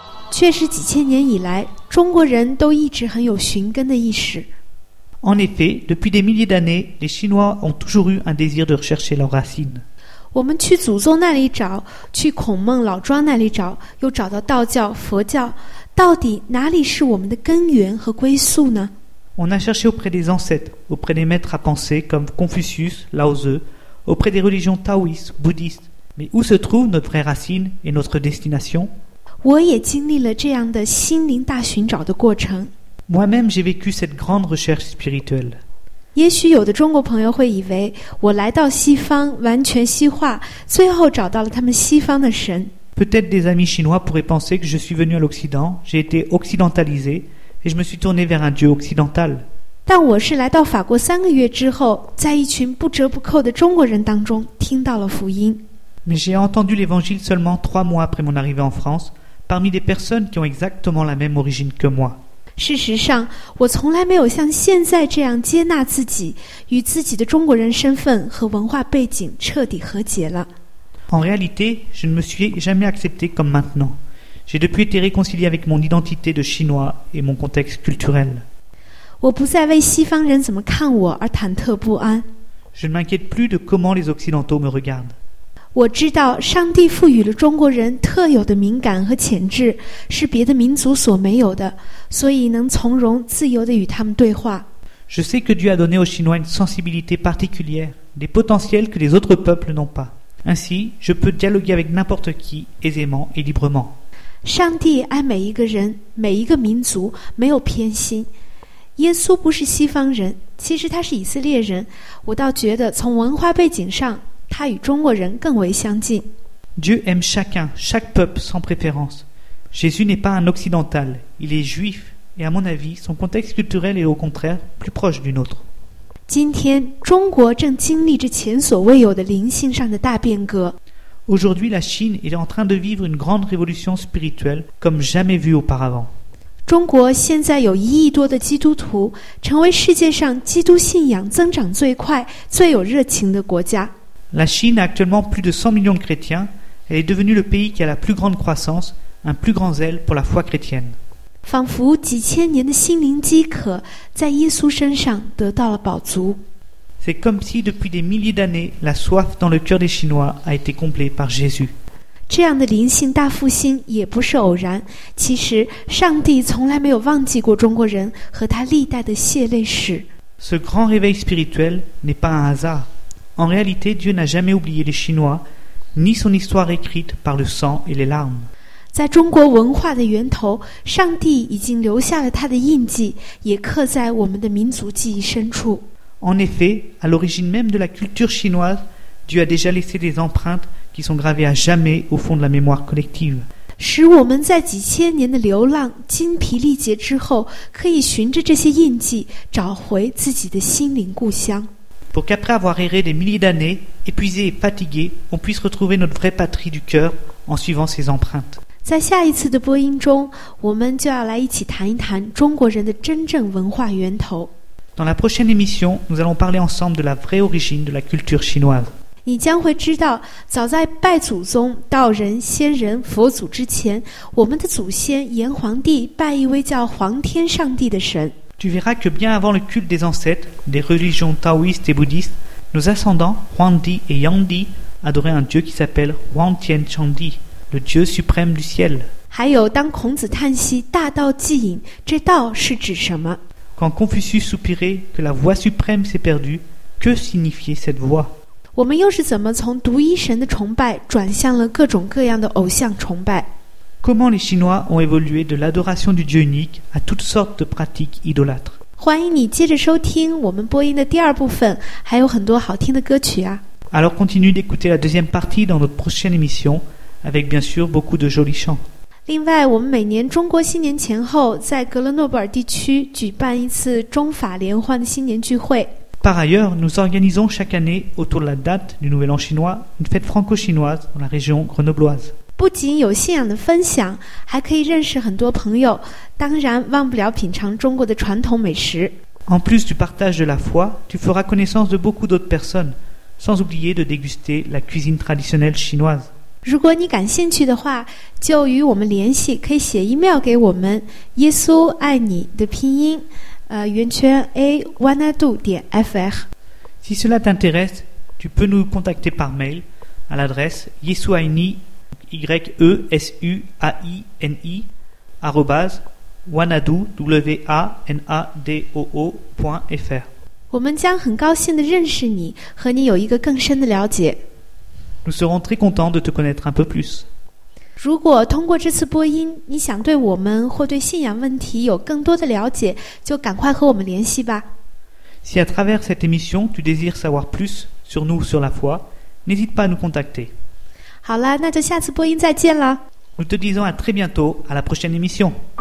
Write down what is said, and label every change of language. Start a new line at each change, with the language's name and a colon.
Chinese: 确实几千年以来，中国人都一直很有寻根的意识。
French: En effet, depuis des milliers d'années, les Chinois ont toujours eu un désir de rechercher leurs racines.
Chinese: 我们去祖宗那里找，去孔孟老庄那里找，又找到道教、佛教，到底哪里是我们的根源和归宿呢？
French: On a cherché auprès des ancêtres, auprès des maîtres à penser comme Confucius, Lao Tzu, auprès des religions taoïstes, bouddhistes. Mais où se trouve notre vraie racine et notre destination?
Chinese: 我也经历了这样的心灵大寻找的过程。
French: Moi-même, j'ai vécu cette grande recherche spirituelle.
Chinese: 也许有的中国朋友会以为我来到西方完全西化，最后找到了他们西方的神。
French: Peut-être des amis chinois pourraient penser que je suis venu à l'Occident, j'ai été occidentalisé et je me suis tourné vers un dieu occidental.
Chinese: 但我是来到法国三个月之后，在一群不折不扣的中国人当中听到了福音。
French: Mais j'ai entendu l'évangile seulement trois mois après mon arrivée en France, parmi des personnes qui ont exactement la même origine que moi.
Chinese: 事实上，我从来没有像现在这样接纳自己，与自己的中国人身份和文化背景彻底和解了。
French: En réalité, je ne me suis jamais accepté comme maintenant. J'ai depuis été réconcilié avec mon identité de Chinois et mon contexte culturel.
Chinese: 我不再为西方人怎么看我而忐忑不安。
French: Je ne m'inquiète plus de comment les Occidentaux me regardent.
Chinese: 我知道上帝赋予了中国人特有的敏感和潜质，是别的民族所没有的，所以能从容自由地与他们对话。
French: Je sais que Dieu a donné aux Chinois une sensibilité particulière, des potentiels que les autres peuples n'ont pas. Ainsi, je peux dialoguer avec n'importe qui, aisément et librement.
Chinese: 上帝爱每一个人，每一个民族，没有偏心。耶稣不是西方人，其实他是以色列人，我倒觉得从文化背景上他与中国人更为相近。
French: Dieu aime chacun, chaque peuple sans préférence. Jésus n'est pas un occidental, il est juif, et à mon avis, son contexte culturel est au contraire plus proche du nôtre.
Chinese: 今天中国正经历着前所未有的灵性上的大变革。
French: Aujourd'hui, la Chine est en train de vivre une grande révolution spirituelle comme jamais vue auparavant.
Chinese: 中国现在有一亿多的基督徒，成为世界上基督信仰增长最快、最有热情的国家。
French: La Chine a actuellement plus de 100 millions de chrétiens. Elle est devenue le pays qui a la plus grande croissance, un plus grand zèle pour la foi chrétienne.
Chinese: 仿佛几千年的心灵饥渴在耶稣身上得到了饱足。
French: C'est comme si depuis des milliers d'années, la soif dans le cœur des Chinois a été comblée par Jésus.
Chinese: 这样的灵性大复兴也不是偶然。其实，上帝从来没有忘记过中国人和他历代的血泪史。
French: Ce grand réveil spirituel n'est pas un hasard. En réalité, Dieu n'a jamais oublié les Chinois, ni son histoire écrite par le sang et les larmes.
Chinese: 在中国文化的源头，上帝已经留下了他的印记，也刻在我们的民族记忆深处。
French: En effet, à l'origine même de la culture chinoise, Dieu a déjà laissé des empreintes qui sont gravées à jamais au fond de la mémoire collective.
Chinese: 使我们在几千年的流浪、精疲力竭之后，可以循着这些印记找回自己的心灵故乡。
French: Pour qu'après avoir erré des milliers d'années, épuisés et fatigués, on puisse retrouver notre vraie patrie du cœur en suivant ces empreintes.
Chinese: 在下一次的播音中，我们就要来一起谈一谈中国人的真正文化源头。
French: Dans la prochaine émission, nous allons parler ensemble de la vraie origine de la culture chinoise.
Chinese: 你将会知道，早在拜祖宗、道人、仙人、佛祖之前，我们的祖先炎黄帝拜一位叫黄天上帝的神。
French: Tu verras que bien avant le culte des ancêtres, des religions taoïstes et bouddhistes, nos ascendants, Huangdi et Yangdi, adoraient un dieu qui s'appelle Huang Tian Changdi, le dieu suprême du ciel.
Chinese: 还有当孔子叹息大道既隐，这道是指什么？
French: Quand Confucius soupirait que la voie suprême s'est perdue, que signifiait cette voie?
Chinese: 我们又是怎么从独一神的崇拜转向了各种各样的偶像崇拜？
French: Comment les Chinois ont évolué de l'adoration du Dieu unique à toutes sortes de pratiques idolâtres?
Chinese: 欢迎你接着收听我们播音的第二部分，还有很多好听的歌曲啊。
French: Alors continue d'écouter la deuxième partie dans notre prochaine émission, avec bien sûr beaucoup de jolis chants.
Chinese: 另外，我们每年中国新年前后，在格勒诺布尔地区举办一次中法联欢的新年聚会。
French: Par ailleurs, nous organisons chaque année autour de la date du Nouvel An chinois une fête franco-chinoise dans la région grenobloise.
Chinese: 不仅有信仰的分享，还可以认识很多朋友，当然忘不了品尝中国的传统美食。
French: En plus du partage de la foi, tu feras connaissance de beaucoup d'autres personnes, sans oublier de déguster la cuisine traditionnelle chinoise.
Chinese: 如果你感兴趣的话，就与我们联系，可以写 email 给我们，耶稣爱你的拼音，圆圈 a wanadu.fr。
French: Si cela t'intéresse, tu peux nous contacter par mail à l'adresse yesuaini@wanadu.fr。
Chinese: 我们将很高兴地认识你，和你有一个更深的了解。
French: Nous serons très contents de te connaître un peu plus.
Chinese: 如果通过这次播音，你想对我们或对信仰问题有更多的了解，就赶快和我们联系吧。
French: Si à travers cette émission, tu désires savoir plus sur nous ou sur la foi, n'hésite pas à nous contacter.
Chinese: 好了，那就下次播音再见了。
French: Nous te disons à très bientôt, à la prochaine émission.